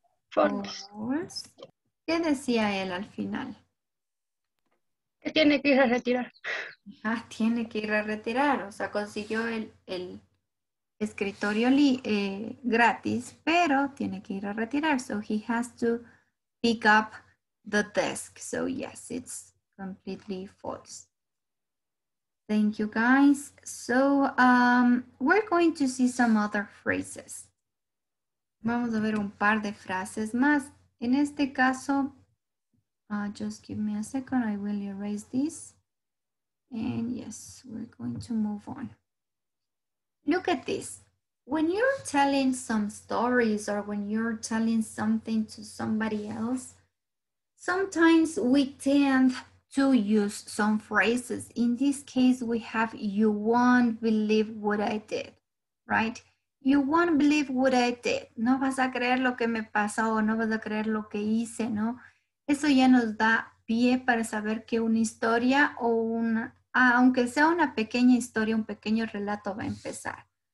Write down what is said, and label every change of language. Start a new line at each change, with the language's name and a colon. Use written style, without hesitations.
English: False.
Spanish: ¿Qué decía él al final? Que tiene que ir a retirar. Ah, tiene que ir a retirar. O sea, consiguió el escritorio gratis, pero tiene que ir a retirar.
English: So he has to pick up the desk. So yes, it's completely false. Thank you, guys. So, we're going to see some other phrases.
Spanish: Vamos a ver un par de frases más. En este caso,
English: just give me a second. I will erase this. And yes, we're going to move on. Look at this. When you're telling some stories or when you're telling something to somebody else, sometimes we tend to use some phrases. In this case, we have, you won't believe what I did, right? You won't believe what I did.
Spanish: No vas a creer lo que me pasó o no vas a creer lo que hice, ¿no? Eso ya nos da pie para saber que una historia o una, aunque sea una pequeña historia, un pequeño relato va a empezar.